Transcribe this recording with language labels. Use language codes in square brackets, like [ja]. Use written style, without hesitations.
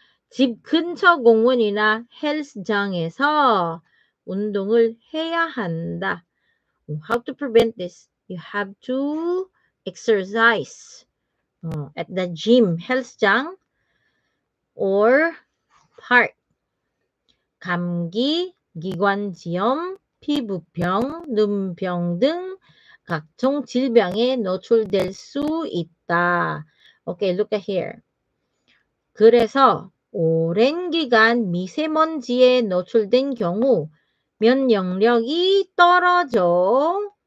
[ko] 집 근처 공원이나 헬스장에서 운동을 해야 한다. [en] How to prevent this? You have to exercise at the gym, [ko] 헬스장, [en] or park. [ko] 감기, 기관지염, 피부병, 눈병 등 각종 질병에 노출될 수 있다. [en] Okay, look at here. [ko] 그래서 오랜 기간 미세먼지에 노출된 경우 면역력이 떨어져.